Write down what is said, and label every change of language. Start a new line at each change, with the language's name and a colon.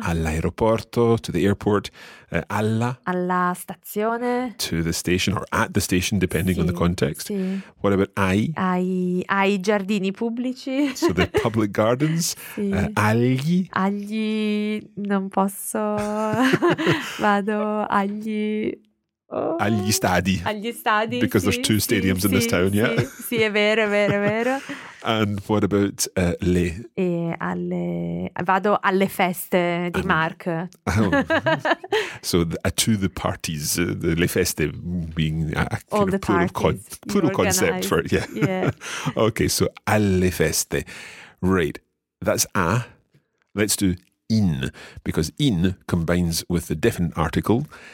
Italian: All'aeroporto,
English: to the airport.
Italian: Alla. Alla stazione.
English: To the station or at the station, depending on the context.
Italian: Sì.
English: What about ai?
Italian: Ai giardini pubblici.
English: So the public gardens.
Italian: Sì. Agli. Agli, non posso. Vado agli... Oh. Agli stadi. Agli stadi,
English: because
Italian: sì,
English: there's two stadiums
Italian: sì,
English: in this town,
Italian: sì,
English: yeah?
Italian: Sì, è vero, vero, vero.
English: And what about le?
Italian: E alle, vado alle feste di Mark.
English: So to the parties,
Italian: le feste
English: being a plural concept for it, yeah. Yeah. Okay, so
Italian: alle feste.
English: Right, that's a. Let's do in, because in combines with the definite article.